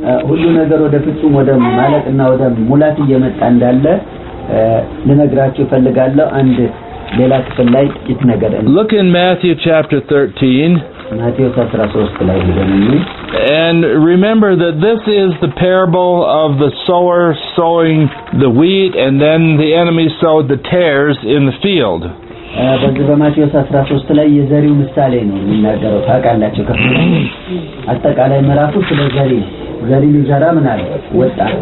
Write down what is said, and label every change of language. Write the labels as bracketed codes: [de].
[am] ሁሉ ነገር ወደ ፍጹም ወደ ማለቅና ወደ ሙላት እየመጣ እንዳለ ለነግራችሁ ፈልጋለሁ አንድ ሌላ ክፍል ላይ ይተነገራል. [en] Look in Matthew chapter 13. [am] ማቴዎስ 13 ላይ ይገኛል. [en] And remember that this is the parable of the sower sowing the wheat and then the enemy sowed the tares in the field. [am] በዚህ በማቴዎስ 13 ላይ የዘሪው ምሳሌ ነው የሚናገረው ታቃላችሁ ከፍሉ አጠቃላይ ምራፉ ስለ ዘሪ ዘሪ ይዘራ ምን አለ ወጣ